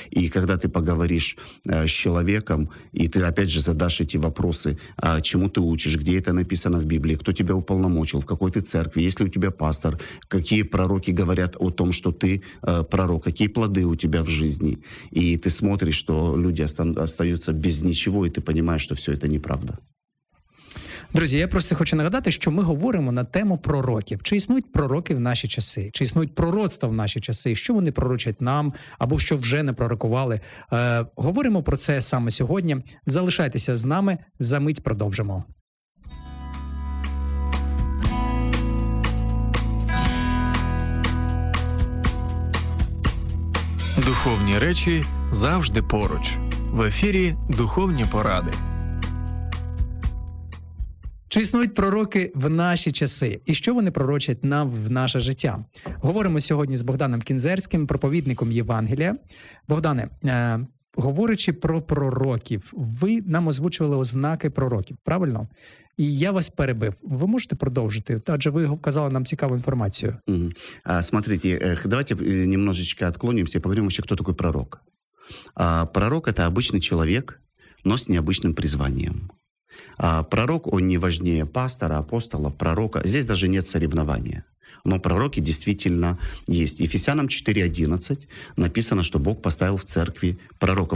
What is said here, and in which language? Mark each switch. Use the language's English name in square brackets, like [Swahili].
[Russian] И когда ты поговоришь с человеком, и ты опять же задашь эти вопросы, чему ты учишь, где это написано в Библии, кто тебя уполномочил, в какой ты церкви, есть ли у тебя пастор, какие пророки говорят о том, что ты пророк, какие плоды у тебя в жизни. И ты смотришь, что люди остаются без ничего, и ты понимаешь, что все это неправда. [Ukrainian] Друзі, я просто хочу нагадати, що ми говоримо на тему пророків. Чи існують пророки в наші часи? Чи існують пророцтва в наші часи? Що вони пророчать нам? Або що вже не пророкували? Говоримо про це саме сьогодні. Залишайтеся з нами, за мить продовжимо. Духовні речі завжди поруч. В ефірі «Духовні поради». Чи існують пророки в наші часи? І що вони пророчать нам в наше життя? Говоримо сьогодні з Богданом Кінзерським, проповідником Євангелія. Богдане, говорячи про пророків, ви нам озвучували ознаки пророків, правильно? І я вас перебив. Ви можете продовжити? Адже ви вказали нам цікаву інформацію. Смотрите, давайте немножечко відклонимося і поговоримо, що хто такий пророк. [Russian] Пророк – це обычный человек, но с необычным призванием. Пророк, он не важнее пастора, апостола, пророка. Здесь даже нет соревнования. Но пророки действительно есть. Ефесянам 4:11 написано, что Бог поставил в церкви пророка.